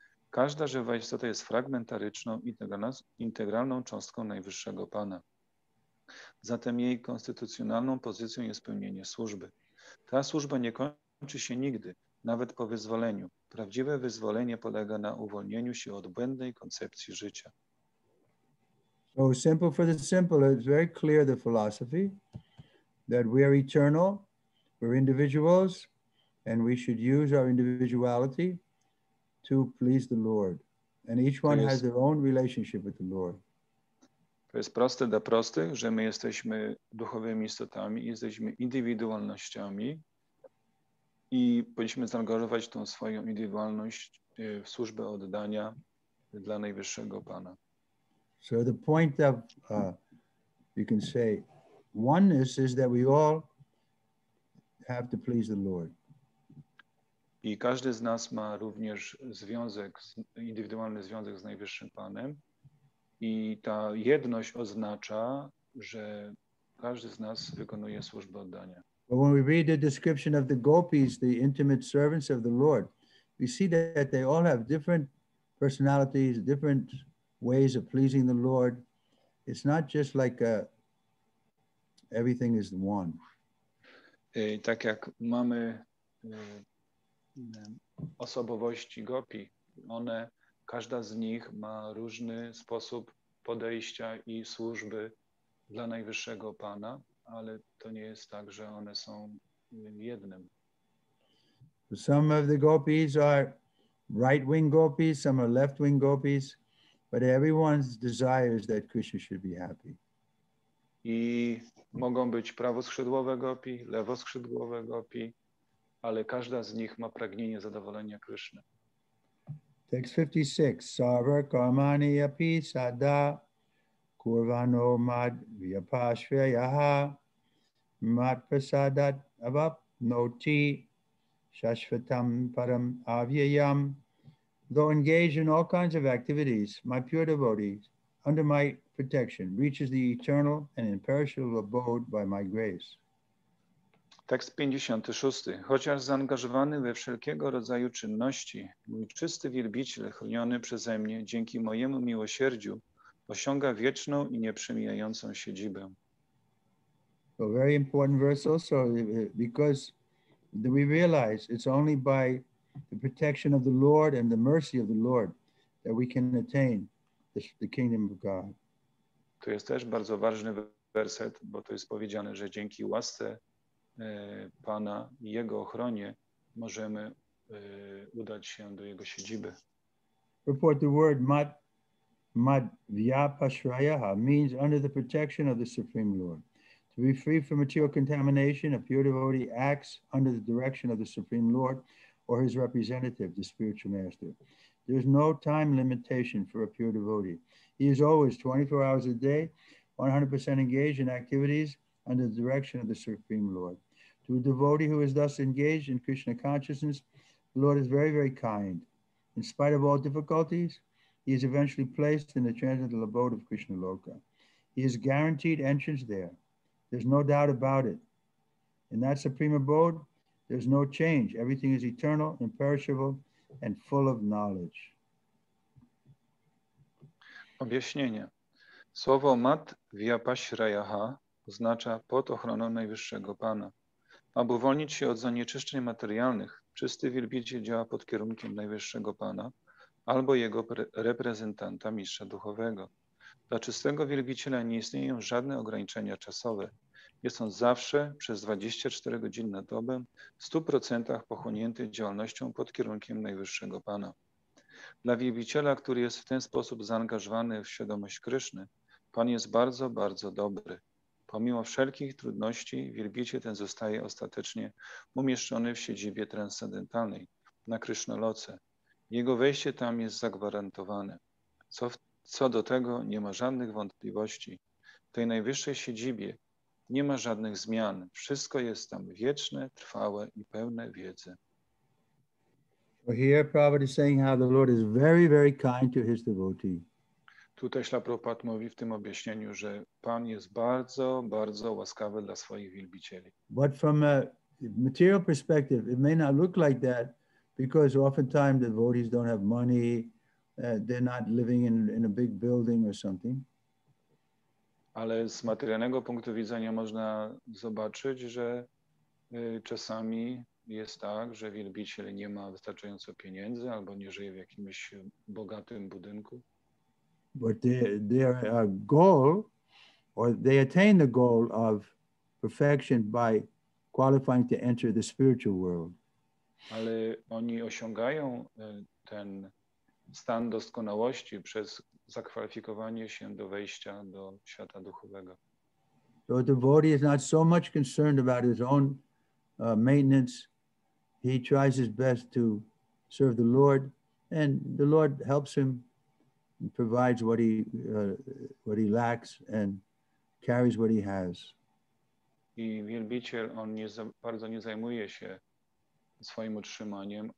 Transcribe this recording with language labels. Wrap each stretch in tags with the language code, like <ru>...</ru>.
<pl>Każda żywa istota jest fragmentaryczną, integralną cząstką najwyższego Pana. Zatem jej konstytucjonalną pozycją jest pełnienie służby. Ta służba nie kończy się nigdy, nawet po wyzwoleniu. Prawdziwe wyzwolenie polega na uwolnieniu się od błędnej koncepcji życia.</pl> <en>So simple for the simple, it's very clear the philosophy that we are eternal, we're individuals, and we should use our individuality to please the Lord. And each one has their own relationship with the Lord.</en> <pl>To jest proste dla prostych, że my jesteśmy duchowymi istotami, jesteśmy indywidualnościami i powinniśmy zaangażować tą swoją indywidualność w służbę oddania dla najwyższego Pana.</pl> <en>So the point of, you can say, oneness is that we all have to please the Lord.</en> <pl>I każdy z nas ma również związek, indywidualny związek z najwyższym Panem. I ta jedność oznacza, że każdy z nas wykonuje służbę oddania.</pl> <en>But when we read the description of the gopis, the intimate servants of the Lord, we see that they all have different personalities, different ways of pleasing the Lord. It's not just like a, everything is one.</en> <pl>I tak jak mamy osobowości gopi, one, każda z nich ma różny sposób podejścia i służby dla najwyższego Pana, ale to nie jest tak, że one są jednym.</pl> <en>Some of the gopis are right-wing gopis, some are left-wing gopis, but everyone's desire is that Krishna should be happy.</en> <pl>I mogą być prawoskrzydłowe gopi, lewoskrzydłowe gopi, ale każda z nich ma pragnienie zadowolenia Krishna.</pl> <en>Text 56.</en> <sa>Sarva karmani api sada kurvano mad vyapashvayaha mat prasadat avapnoti shashvatam param avyayam.</sa> <en>Though engaged in all kinds of activities, my pure devotee, under my protection, reaches the eternal and imperishable abode by my grace.</en> <pl>Tekst 56. Chociaż zaangażowany we wszelkiego rodzaju czynności, mój czysty wielbiciel, chroniony przeze mnie dzięki mojemu miłosierdziu, osiąga wieczną i nieprzemijającą siedzibę.</pl> <en>So very important verse also, because we realize it's only by the protection of the Lord and the mercy of the Lord that we can attain the kingdom of God.</en> <pl>To jest też bardzo ważny werset, bo to jest powiedziane, że dzięki łasce Pana i Jego ochronie możemy udać się do Jego siedziby.</pl> <en>Report the word mad vyapashrayaha means under the protection of the Supreme Lord. To be free from material contamination, a pure devotee acts under the direction of the Supreme Lord or his representative, the spiritual master. There is no time limitation for a pure devotee. He is always 24 hours a day, 100% engaged in activities under the direction of the Supreme Lord. To a devotee who is thus engaged in Krishna consciousness, The Lord is very, very kind. In spite of all difficulties, he is eventually placed in the transcendental abode of Krishna Loka. He is guaranteed entrance there. There's no doubt about it. In that supreme abode, there's no change. Everything is eternal, imperishable, and full of knowledge.</en> <pl>Objaśnienie. Słowo Mat Vyapashrayaha oznacza pod ochroną Najwyższego Pana. Aby uwolnić się od zanieczyszczeń materialnych, czysty wielbiciel działa pod kierunkiem Najwyższego Pana albo jego reprezentanta, mistrza duchowego. Dla czystego wielbiciela nie istnieją żadne ograniczenia czasowe. Jest on zawsze przez 24 godziny na dobę w 100% pochłonięty działalnością pod kierunkiem Najwyższego Pana. Dla wielbiciela, który jest w ten sposób zaangażowany w świadomość Kryszny, Pan jest bardzo, bardzo dobry. Pomimo wszelkich trudności, wielbiciel ten zostaje ostatecznie umieszczony w siedzibie transcendentalnej, na Krysznoloce. Jego wejście tam jest zagwarantowane. Co do tego nie ma żadnych wątpliwości. W tej najwyższej siedzibie nie ma żadnych zmian. Wszystko jest tam wieczne, trwałe i pełne wiedzy.</pl> <en>Here Prabhupada is saying how the Lord is very, very kind to his devotee.</en> <pl>Tutaj Śla Prabhupada mówi w tym objaśnieniu, że Pan jest bardzo, bardzo łaskawy dla swoich wielbicieli.</pl> <en>But from a material perspective, it may not look like that because oftentimes the devotees don't have money, they're not living in a big building or something.</en> <pl>Ale z materialnego punktu widzenia można zobaczyć, że czasami jest tak, że wielbiciel nie ma wystarczająco pieniędzy albo nie żyje w jakimś bogatym budynku.</pl> <en>But their goal, or they attain the goal of perfection by qualifying to enter the spiritual world.</en> <pl>Ale oni osiągają ten stan doskonałości przez zakwalifikowanie się do wejścia do świata duchowego.</pl> <en>So the devotee is not so much concerned about his own maintenance. He tries his best to serve the Lord, and the Lord helps him and provides what he lacks and carries what he has.</en> <pl>I wielbiciel, on bardzo nie zajmuje się swoim utrzymaniem.</pl>